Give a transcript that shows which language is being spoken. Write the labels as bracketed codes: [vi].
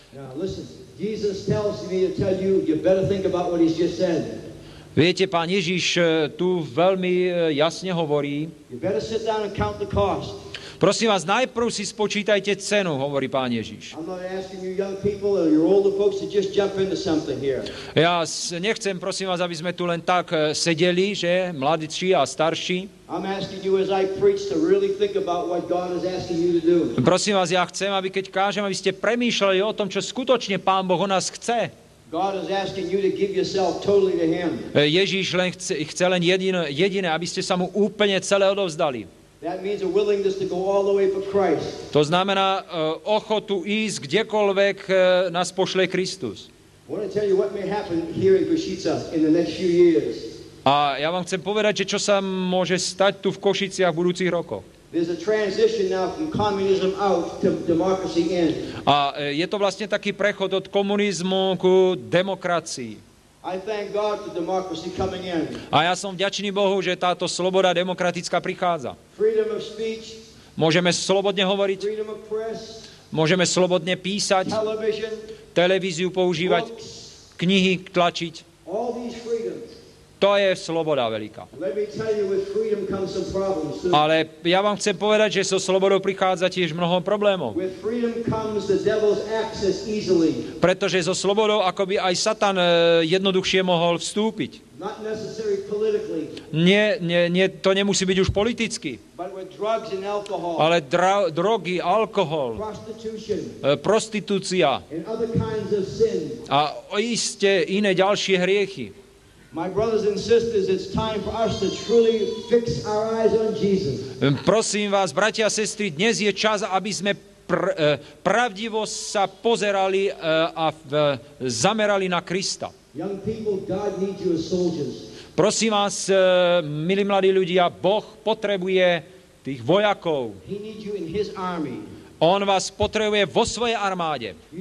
[en] Now, listen, Jesus tells me to tell you better think about what he's just said. [sk] Viete, pán Ježiš tu veľmi jasne hovorí. [en] You better sit down and count the cost. [sk] Prosím vás, najprv si spočítajte cenu, hovorí pán Ježiš. [en] I'm not asking you young people or your older folks to just jump into something here. [sk] Ja nechcem, prosím vás, aby sme tu len tak sedeli, že mladší a starší. [en] I'm asking you as I preach to really think about what God is asking you to do. [sk] Prosím vás, ja chcem, aby keď kážem, aby ste premýšľali o tom, čo skutočne pán Boh o nás chce. [en] God is asking you to give yourself totally to him. [sk] Ježiš len chce len jediné, aby ste sa mu úplne celé odovzdali. [en] That means a willingness to go all the way for Christ. [sk] To znamená ochotu ísť kdekoľvek nás pošle Kristus. [en] I want to tell you what may happen here in Košice in the next few years. [sk] A ja vám chcem povedať, že čo sa môže stať tu v Košiciach v budúcich rokoch. [en] There's a transition now from communism out to democracy in. [sk] A je to vlastne taký prechod od komunizmu ku demokracii. [en] I thank God for democracy coming in. [sk] A ja som vďačný Bohu, že táto sloboda demokratická prichádza. [en] Freedom of speech. [sk] Môžeme slobodne hovoriť. [en] Freedom of press. [sk] Môžeme slobodne písať. [en] Television. [sk] Televíziu používať. [en] Books. [sk] Knihy tlačiť. [en] All these freedoms. [sk] To je sloboda veľká. [en] Let me tell you, with freedom comes some problems. [sk] Ale ja vám chcem povedať, že so slobodou prichádza tiež mnoho problémov. [en] With freedom comes the devil's access easily. [sk] Pretože so slobodou akoby aj Satan jednoduchšie mohol vstúpiť. [en] Not necessary politically. [sk] Nie, to nemusí byť už politicky. [en] But with drugs and alcohol. [sk] Ale drogy, alkohol, prostitúcia [en] and other kinds of sin. [sk] A iste iné ďalšie hriechy. [en] My brothers and sisters, it's time for us to truly fix our eyes on Jesus. [sk] Prosím vás, bratia a sestry, dnes je čas, aby sme pravdivo sa pozerali a zamerali na Krista. [en] Young people, God needs you as soldiers. [sk] Prosím vás, milí mladí ľudia, Boh potrebuje tých vojakov. [en] He needs you in his army. [sk] On vás potrebuje vo svojej armáde.